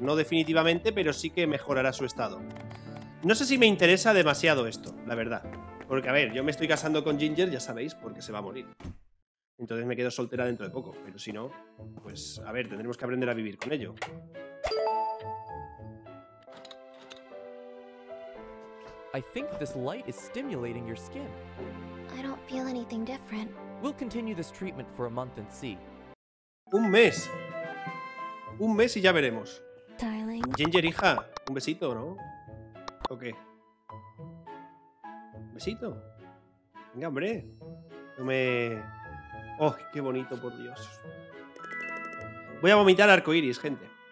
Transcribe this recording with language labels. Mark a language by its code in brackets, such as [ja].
[es] No definitivamente, pero sí que mejorará su estado. No sé si me interesa demasiado esto, la verdad. Porque, a ver, yo me estoy casando con Ginger, ya sabéis, porque se va a morir. Entonces me quedo soltera dentro de poco. Pero si no, pues, a ver, tendremos que aprender a vivir con ello. [en] I think this light is stimulating your skin. I don't feel anything different. We'll continue this treatment for a month and see. [es] Un mes y ya veremos. [en] Darling. [es] Ginger, hija, un besito, ¿no? ¿O qué? ¿Un besito? Venga, hombre. Oh, qué bonito, por Dios. Voy a vomitar arcoiris, gente.